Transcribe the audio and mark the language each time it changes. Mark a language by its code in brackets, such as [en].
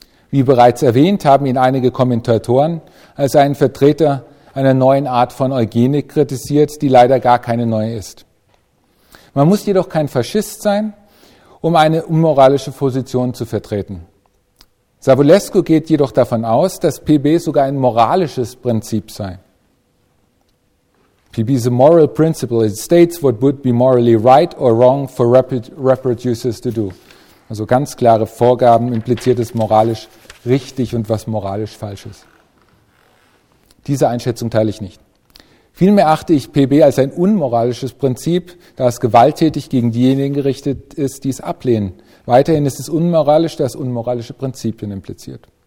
[de] Wie bereits erwähnt, haben ihn einige Kommentatoren als einen Vertreter einer neuen Art von Eugenik kritisiert, die leider gar keine neue ist. Man muss jedoch kein Faschist sein, um eine unmoralische Position zu vertreten. Savulescu geht jedoch davon aus, dass PB sogar ein moralisches Prinzip sei. [en] PB is a moral principle. It states what would be morally right or wrong for reproducers to do. [de] Also ganz klare Vorgaben impliziert es moralisch richtig und was moralisch falsch ist. Diese Einschätzung teile ich nicht. Vielmehr achte ich PB als ein unmoralisches Prinzip, da es gewalttätig gegen diejenigen gerichtet ist, die es ablehnen. Weiterhin ist es unmoralisch, da es unmoralische Prinzipien impliziert.